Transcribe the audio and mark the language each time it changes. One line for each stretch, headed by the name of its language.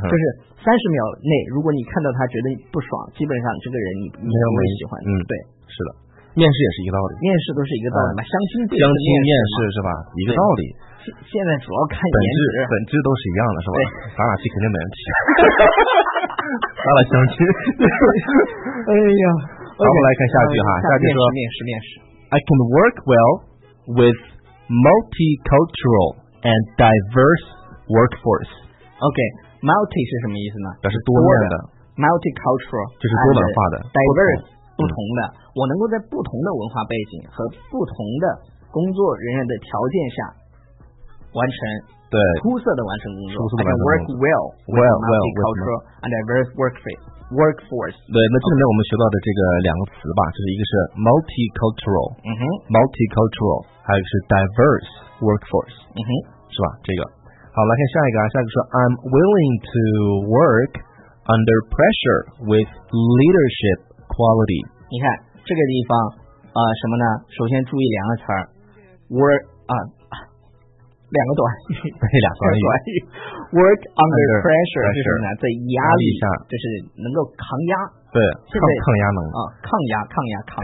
Chinese: 就是30秒内如果你看到他觉得不爽，基本上这个人你不会喜欢。嗯，对，是的，面试也是一个道理，面试都是一个道理、嗯、相亲面试，相亲面试是吧，一个道理。现在主要看颜值，本质都是一样的是吧，咱俩去肯定没人提咱俩相亲哎呀，咱们来看下句哈，下句说面试
English: I can work well withmulticultural and diverse workforce.
Chinese: OK, multi 是什么意思呢？表示多面的。
English: Multicultural
Chinese: 就是多元化的。
English: Diverse
Chinese: 不同的、嗯，我能够在不同的文化背景和不同的工作人员的条件下完成，对，出色的完成工作。出色的完成工作。
English: I can work well with multicultural and diverse workforce.
Chinese: 对，那这里面我们学到的这个两个词吧，就是一个是 multicultural，嗯哼
English: ，multicultural。
Chinese: 还有是 diverse workforce、嗯、哼是吧，这个好，来看下一个啊，下一个说
English: I'm willing to work under pressure with leadership quality。
Chinese: 你看这个地方什么呢，首先注意两个词儿 work 啊，两个短语，对，两个短语 work under pressure 是什么呢，在压力下，就是能够抗压，对，抗压能啊，抗压，抗压，抗压，